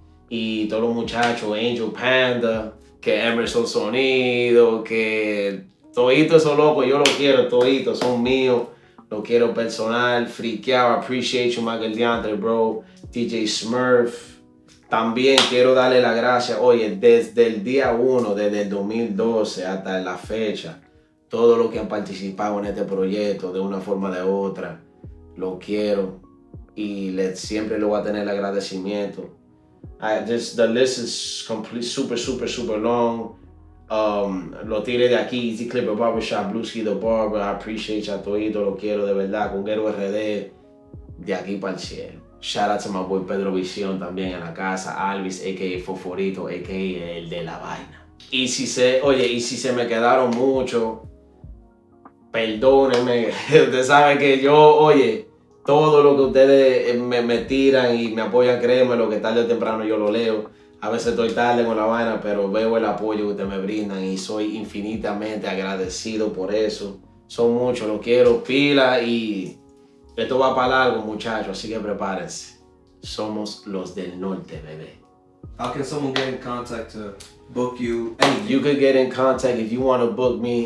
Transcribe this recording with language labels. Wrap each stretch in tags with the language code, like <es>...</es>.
<es>Y todos los muchachos, Angel Panda, que Emerson Sonido, que toditos son locos, yo los quiero, toditos son míos, los quiero personal, Friqueado, appreciate you, Michael DeAndre, bro, DJ Smurf, también quiero darle la gracia, oye, desde el día 1, desde el 2012 hasta la fecha, todos los que han participado en este proyecto de una forma o de otra, los quiero y siempre les voy a tener el agradecimiento.</es> <en>The list is complete, super, super, super long.</en> <es>Lo tiré de aquí, Easy Clipper Barbershop, Blue Ski The Barber. I appreciate y'all todito, lo quiero de verdad. Conguero RD, de aquí para el cielo.</es> <en>Shout out to my boy Pedro Visión también en la casa. Alvis, a.k.a. Foforito, a.k.a.</en> <es>el de la vaina. Y si se, oye, y si se me quedaron mucho, perdónenme. Usted sabe que yo, oye, todo lo que ustedes me tiran y me apoyan, créeme, lo que tarde o temprano yo lo leo. A veces estoy tarde con la vaina, pero veo el apoyo que ustedes me brindan y soy infinitamente agradecido por eso. Son muchos, los quiero, pila, y esto va para largo, muchachos, así que prepárense. Somos los del norte, bebé.</es> <en>How can someone get in contact to book you? Anything? You can get in contact if you want to book me.</en>